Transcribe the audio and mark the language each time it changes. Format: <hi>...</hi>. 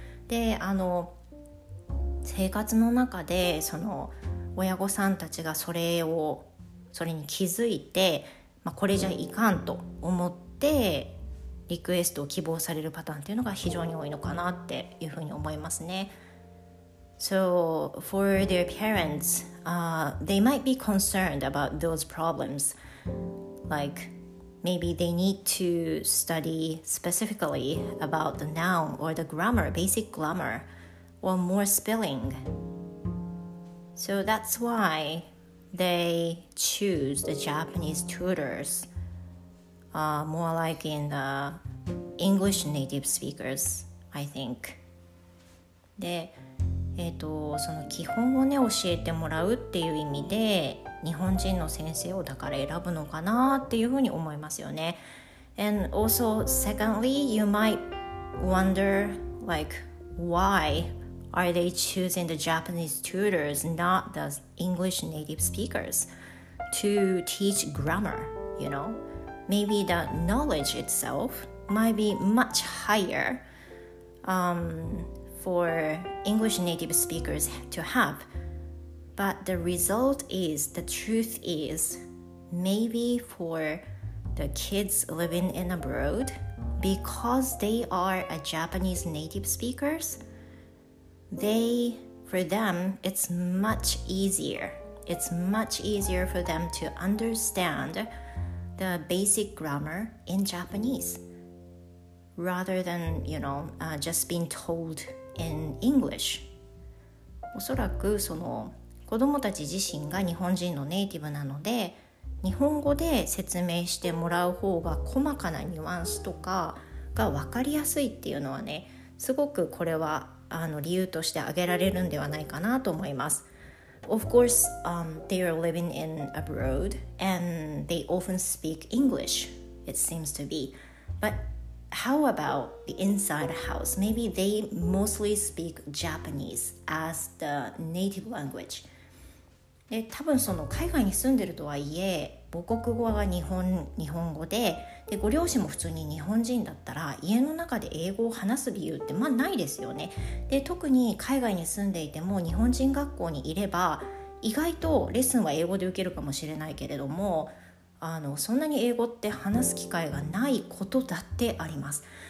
<ja>で、生活の中でその親御さんたちがそれに気づいて、まあ、これじゃいかんと思ってリクエストを希望されるパターンっていうのが非常に多いのかなっていうふうに思いますね。</ja> <en>So for their parents, they might be concerned about those problems. Like maybe they need to study specifically about the noun or the grammar, basic grammar, or more spelling. So that's why they choose the Japanese tutors, more like in the English native speakers, I think.</en> <ja>で、その基本をね教えてもらうっていう意味で日本人の先生をだから選ぶのかなっていうふうに思いますよね。</ja> <en>And also secondly, you might wonder like whyAre they choosing the Japanese tutors, not the English native speakers, to teach grammar, you know? Maybe the knowledge itself might be much higher for English native speakers to have. But the result is, the truth is, maybe for the kids living in abroad, because they are a Japanese native speakers,for them, it's much easier. It's much easier for them to understand the basic grammar in Japanese rather than, you know, just being told in English.</en> <ja>おそらくその子供たち自身が日本人のネイティブなので、日本語で説明してもらう方が細かなニュアンスとかが分かりやすいっていうのはね、すごくこれは理由として挙げられるんではないかなと思います。</ja> <en>Of course, they are living in abroad and they often speak English, it seems to be. But how about the inside house? Maybe they mostly speak Japanese as the native language.</en> <ja>で、多分その海外に住んでるとはいえ、母国語は日本語 でご両親も普通に日本人だったら、家の中で英語を話す理由ってまあないですよね。で、特に海外に住んでいても日本人学校にいれば、意外とレッスンは英語で受けるかもしれないけれども、そんなに英語って話す機会がないことだってあります。</ja>